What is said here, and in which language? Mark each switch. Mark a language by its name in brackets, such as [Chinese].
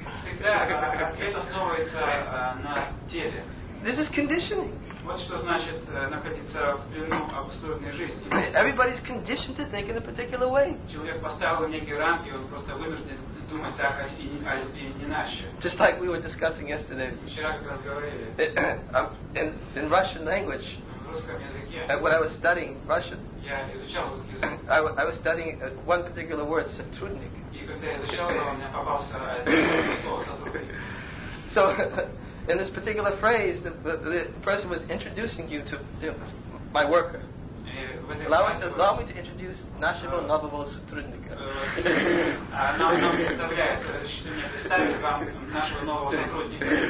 [Russian] Всегда ответ основывается на теле. [English] This is conditioning. [Russian] Вот что значит находиться в плену обусловленной жизни. [English] Everybody's conditioned to think in a particular way. [Russian] Человек поставил некие рамки, он просто вынужден думать так, и не иначе. [English] Just like we were discussing yesterday. [Russian] Вчера как раз говорили. [English] In Russian language. [Russian] В русском языке. [English] When I was studying Russian. [Russian] Я изучал русский язык. [English] I was studying one particular word, сотрудник. [Russian] И когда я изучал его, у меня попался этот слово сотрудник. [English] So. In this particular phrase, the person was introducing you to my worker. Allow me to introduce [Russian] нашего нового сотрудника. Нам представляет, что мне представили вам нашего нового сотрудника.